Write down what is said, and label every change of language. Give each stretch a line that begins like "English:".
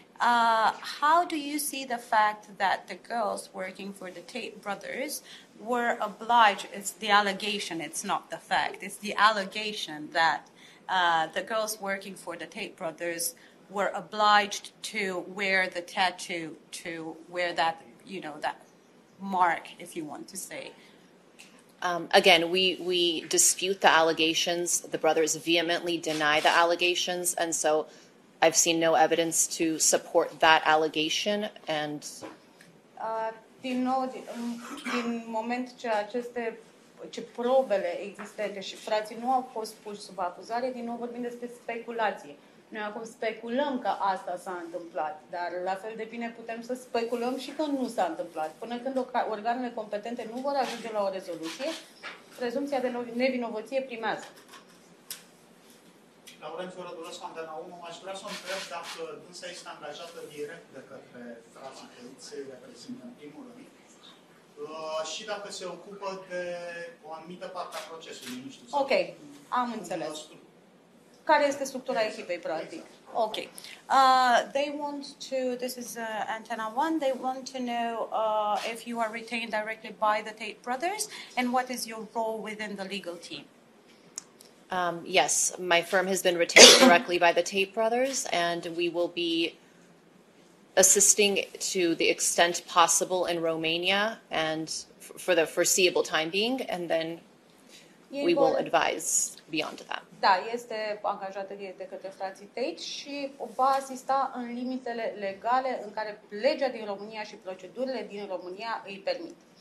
English: How do you see the fact that the girls working for the Tate brothers were obliged, it's the allegation, it's not the fact, it's the allegation that the girls working for the Tate brothers were obliged to wear the tattoo, to wear that, you know, that mark, if you want to say. Again, we dispute the allegations. The brothers vehemently deny the allegations, and so I've seen no evidence to support that allegation. And
Romanian: din nou, din moment ce ce probele existente și frații nu au fost puși sub acuzare, din nou vorbim despre speculație. Noi acum speculăm că asta s-a întâmplat, dar la fel de bine putem să speculăm și că nu s-a întâmplat. Până când organele competente nu vor ajunge la o rezoluție, prezumția de nevinovăție primează. Laurențiu Răduloș, Antena 1, aș vrea să întreb dacă dânsa este angajată direct de către frații Tăiței, reprezintând primului, și dacă se ocupă de o anumită parte a procesului. Nu știu, ok, am înțeles. Care este structura echipei, practic? Exact.
English: Okay. They want to, this is Antenna One, they want to know if you are retained directly by the Tate brothers and what is your role within the legal team? Yes, my firm has been retained directly by the Tate brothers, and we will be assisting to the extent possible in Romania and for the foreseeable time being, and then we will advise beyond that.
Romanian: Da, este angajată de către frații Tate și va asista în limitele legale în care legea din România și procedurile din România îi permit.